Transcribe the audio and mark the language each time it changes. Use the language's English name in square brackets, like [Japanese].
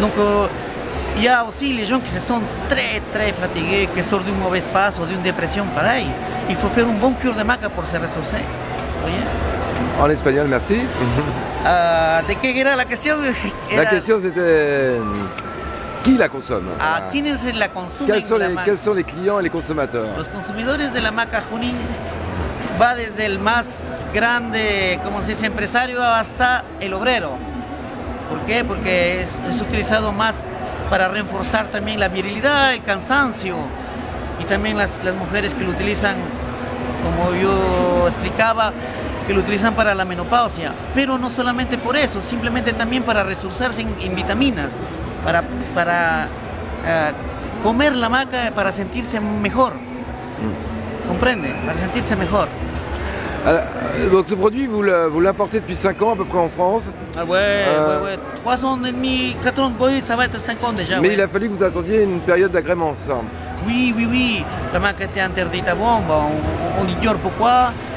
[French] Donc, il y a aussi les gens qui se sont très très fatigués, qui sortent d'un mauvais passe ou d'une dépression, pareil. Il faut faire un bon cure de maca pour se ressourcer. Voyez. En espagnol, merci. [Spanish] De qué era la question? [French] La question c'était... Qui la consomme? Qui ne la consomme? Quels sont les clients et les consommateurs? [Spanish] Los consumidores de la maca junín va desde el más grande, como se dice, empresario hasta el obrero. ¿Por qué? Porque es utilizado más para reforzar también la virilidad, el cansancio, y también las mujeres que lo utilizan, como yo explicaba, que lo utilizan para la menopausia, pero no solamente por eso, simplemente también para resurgirse en vitaminas, para comer la maca para sentirse mejor, ¿comprende? Para sentirse mejor. [French] Donc ce produit, vous l'importez depuis 5 ans à peu près en France. Ah ouais, 3 ans et demi, 4 ans, oui, ça va être 5 ans déjà. Mais ouais. Il a fallu que vous attendiez une période d'agrément ensemble. Oui. La maca était interdite avant, on ignore pourquoi.